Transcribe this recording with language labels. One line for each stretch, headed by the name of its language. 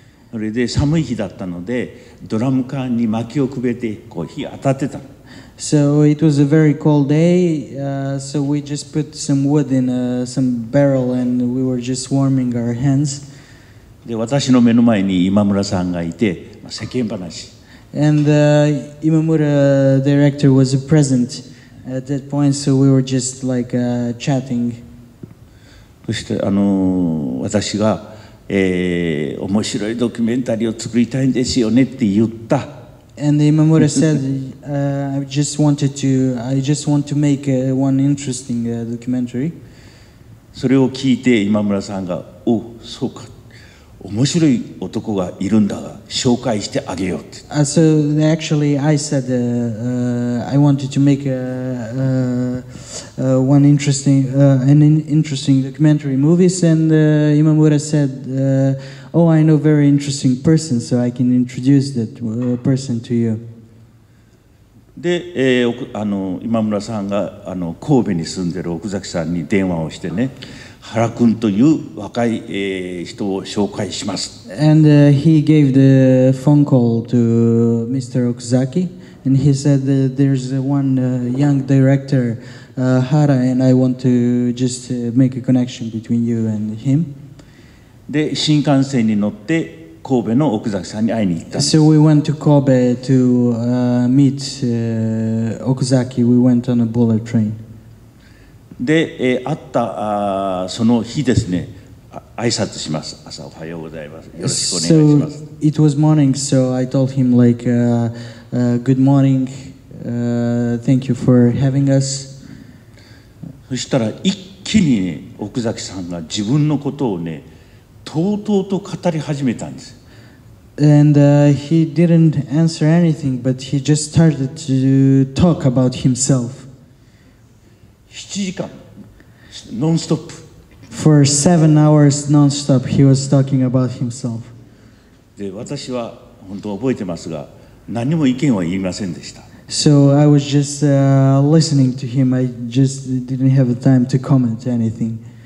Japanese: それで寒い日だったので、ドラム缶に薪をくべてこう火当たってた。
English: So it was a very cold day, so we just put some wood in some barrel and we were just warming our hands.
Japanese: で、私の目の前に今村さんがいて、世間話。
English: And Imamura director was present at that point, so we were just like chatting.
Japanese: そして私が、面白いドキュメンタリーを作りたいんですよねって言った。
English: And Imamura said, I just want to make one interesting documentary.
Japanese: それを聞いて今村さんが、お、そうか、面白い男がいるんだが、紹介してあげようって。
English: So actually, I said, I wanted to make an interesting documentary movies, and Imamura said, Oh, I know very interesting person, so I can introduce that person to you.
Japanese: で、今村さんが神戸に住んでる奥崎さんに電話をしてね、原君という若い、人を紹介します。
English: And he gave the phone call to Mr. Okuzaki, and he said that there's one young director, Hara, and I want to just make a connection between you and him.
Japanese: で新幹線に乗って神戸の奥崎さんに会いに行った。
English: So we went to Kobe to meet Okuzaki. We went on a bullet train.
Japanese: で、会った、その日ですね、挨拶します。朝おはようございます。よろしくお願いします。
English: So it was morning, so I told him like, good morning, thank you for having us.
Japanese: そしたら一気に、ね、奥崎さんが自分のことをね。とうとうと語り始めたんです。
English: And he didn't answer anything, but he just started to talk about himself.
Japanese: 7時間、ノンストップ。
English: For 7 hours non-stop, he was talking about himself.
Japanese: で、私は本当覚えてますが、何も意見は言いませんでした。
English: So I was just listening to him. I just didn't have the time to comment anything.